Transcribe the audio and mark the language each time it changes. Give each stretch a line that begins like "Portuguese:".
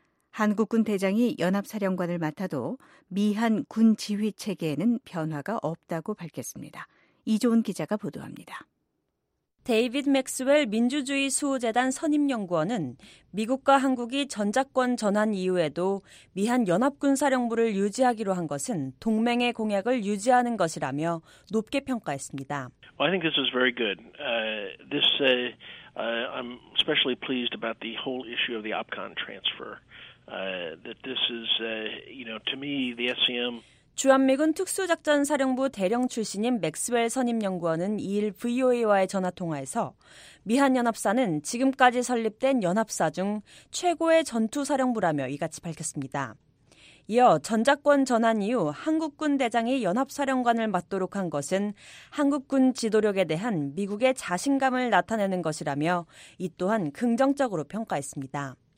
Korean: 한국군 대장이 연합사령관을 맡아도 미한군지휘체계에는 변화가 없다고 밝혔습니다. 이조은 기자가 보도합니다. 데이비드 맥스웰 민주주의 수호재단 선임연구원은 미국과 한국이 전작권 전환 이후에도 미한 연합군 사령부를 유지하기로 한 것은 동맹의 공약을 유지하는 것이라며 높게 평가했습니다.
English: Well, I think this is very good. I'm especially pleased about the whole issue of the OPCON transfer. To me, the SCM.
Korean: 주한미군 특수작전사령부 대령 출신인 맥스웰 선임연구원은 2일 VOA와의 전화통화에서 미한연합사는 지금까지 설립된 연합사 중 최고의 전투사령부라며 이같이 밝혔습니다. 이어 전작권 전환 이후 한국군 대장이 연합사령관을 맡도록 한 것은 한국군 지도력에 대한 미국의 자신감을 나타내는 것이라며 이 또한 긍정적으로 평가했습니다.